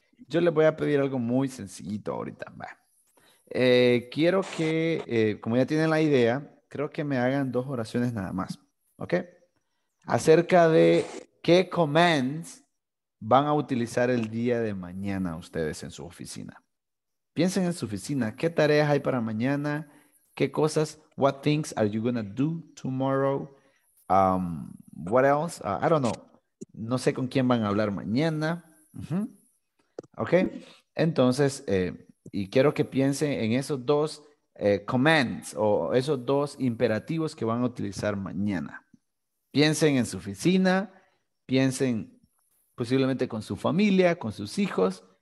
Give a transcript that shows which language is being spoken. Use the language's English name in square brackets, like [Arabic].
[Spanish] yo le voy a pedir algo muy sencillito ahorita. Quiero que, como ya tienen la idea, creo que me hagan dos oraciones nada más. ¿Ok? Acerca de qué commands van a utilizar el día de mañana ustedes en su oficina. Piensen en su oficina. ¿Qué tareas hay para mañana? ¿Qué cosas? [English] What things are you going to do tomorrow? What else? I don't know. [Spanish] No sé con quién van a hablar mañana. Uh-huh. ¿Ok? Entonces, y quiero que piensen en esos dos commands o esos dos imperativos que van a utilizar mañana. Piensen en su oficina, piensen posiblemente con su familia, con sus hijos.